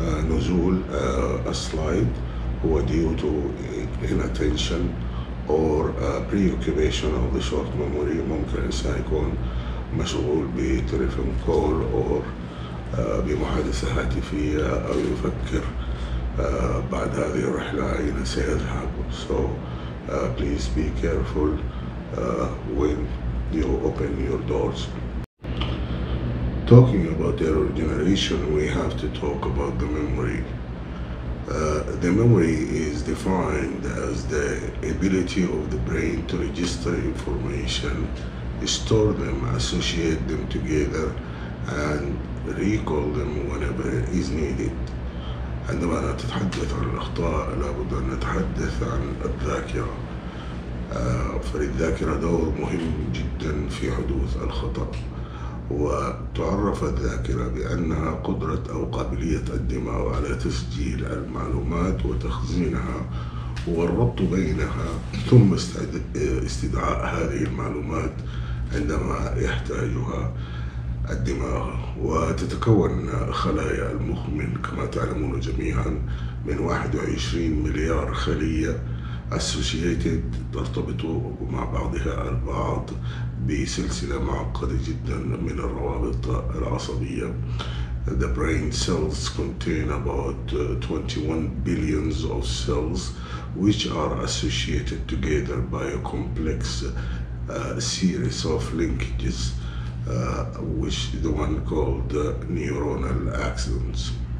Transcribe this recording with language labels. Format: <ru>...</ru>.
<ar>نزول السلايد هو</ar> <en>due to inattention or preoccupation of the short memory.</en> <ar>ممكن الإنسان يكون مشغول بتليفون كول or بمحادثة هاتفية أو يفكر بعد هذه الرحلة أين سيذهب.</ar> <en>So please be careful when you open your doors. Talking about error generation, we have to talk about the memory. The memory is defined as the ability of the brain to register information, store them, associate them together, and recall them whenever is needed.</en> <ar>عندما نتحدث عن الأخطاء لابد أن نتحدث عن الذاكرة. فالذاكرة دور مهم جدا في حدوث الخطأ. وتعرف الذاكرة بأنها قدرة أو قابلية الدماغ على تسجيل المعلومات وتخزينها والربط بينها ثم استدعاء هذه المعلومات عندما يحتاجها الدماغ. وتتكون خلايا المخ من كما تعلمون جميعا من 21 مليار خلية associated ترتبط مع بعضها البعض بسلسلة معقدة جدا من الروابط العصبية.</ar> <en>The brain cells contain about 21 billion of cells which are associated together by a complex series of linkages which the one called neuronal axons.</en>